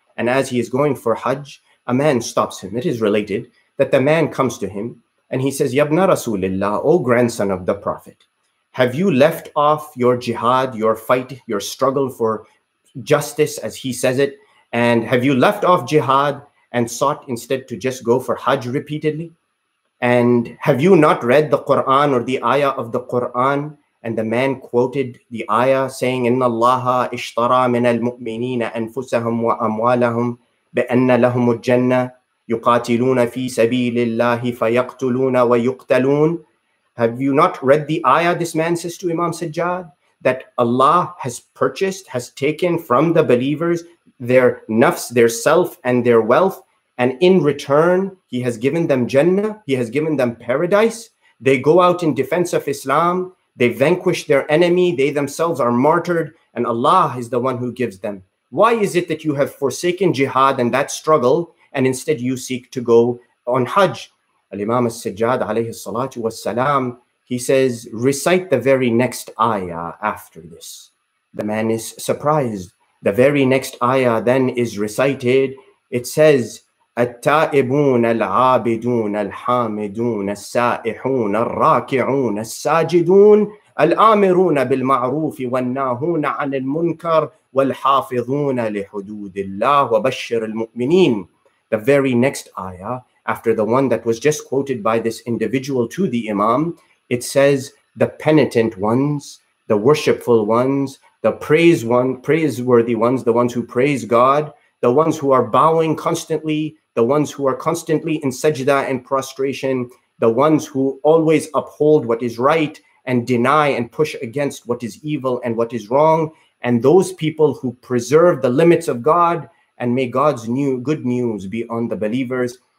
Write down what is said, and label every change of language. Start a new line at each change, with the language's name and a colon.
English: And as he is going for Hajj, a man stops him. It is related that the man comes to him and he says,
Arabic: Yabna Rasulillah,
English: O grandson of the Prophet, have you left off your jihad, your fight, your struggle for justice, as he says it? And have you left off jihad and sought instead to just go for Hajj repeatedly? And have you not read the Quran or the ayah of the Quran? and the man quoted the ayah saying,
Arabic: إِنَّ اللَّهَ اِشْتَرَى مِنَ الْمُؤْمِنِينَ أَنفُسَهُمْ وَأَمْوَالَهُمْ بِأَنَّ لَهُمُ الْجَنَّةِ يُقَاتِلُونَ فِي سَبِيلِ اللَّهِ فَيَقْتُلُونَ وَيُقْتَلُونَ.
English: Have you not read the ayah, this man says to Imam Sajjad, that Allah has purchased, has taken from the believers their nafs, their self, and their wealth, and in return, he has given them Jannah, he has given them paradise. They go out in defense of Islam, they vanquish their enemy, they themselves are martyred, and Allah is the one who gives them. Why is it that you have forsaken jihad and that struggle, and instead you seek to go on Hajj? Al-Imam al-Sajjad alayhi salatu wassalam, he says, recite the very next ayah after this. The man is surprised. The very next ayah then is recited. It says,
Arabic: التائبون العابدون الحامدون السائحون الراكعون الساجدون الآمرون بالمعروف والناهون عن المنكر والحافظون لحدود الله وبشر المؤمنين.
English: The very next ayah, after the one that was just quoted by this individual to the Imam, it says, the penitent ones, the worshipful ones, the praiseworthy ones, the ones who praise God, the ones who are bowing constantly, the ones who are constantly in sajda and prostration, the ones who always uphold what is right and deny and push against what is evil and what is wrong, and those people who preserve the limits of God, and may God's new good news be on the believers.